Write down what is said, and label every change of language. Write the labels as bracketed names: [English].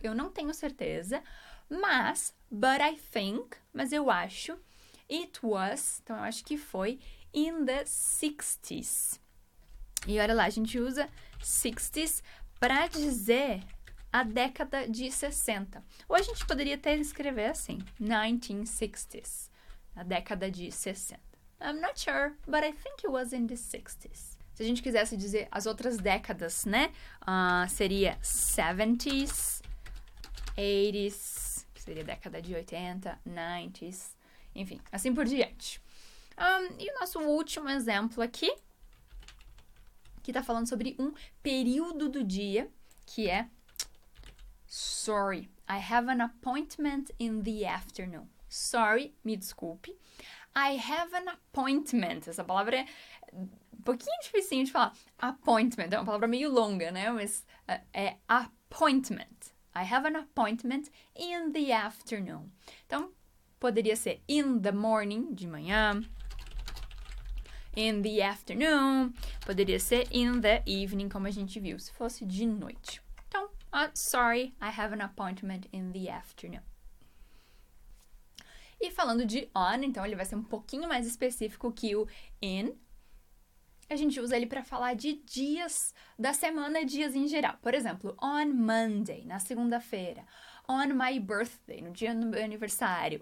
[Portuguese] Eu não tenho certeza. Mas, [English] but I think, [Portuguese] mas eu acho, [English] it was, [Portuguese] então eu acho que foi, [English] in the 60s. [Portuguese] E olha lá, a gente usa 60s para dizer a década de 60. Ou a gente poderia até escrever assim, 1960s, a década de 60. [English] I'm not sure, but I think it was in the 60s. [Portuguese] Se a gente quisesse dizer as outras décadas, né? Seria 70s, 80s. Seria década de 80, 90s, enfim, assim por diante. E o nosso último exemplo aqui, que tá falando sobre um período do dia, que é... [English] Sorry, I have an appointment in the afternoon. Sorry, [Portuguese] me desculpe. [English] I have an appointment. [Portuguese] Essa palavra é um pouquinho dificinho de falar. Appointment, é uma palavra meio longa, né? Mas é appointment. [English] I have an appointment in the afternoon. [Portuguese] Então, poderia ser [English] in the morning, [Portuguese] de manhã. [English] In the afternoon. [Portuguese] Poderia ser [English] in the evening, [Portuguese] como a gente viu, se fosse de noite. Então, [English] sorry, I have an appointment in the afternoon. [Portuguese] E falando de on, então ele vai ser um pouquinho mais específico que o in. A gente usa ele para falar de dias da semana, dias em geral. Por exemplo, [English] on Monday, [Portuguese] na segunda-feira. [English] On my birthday, [Portuguese] no dia do meu aniversário.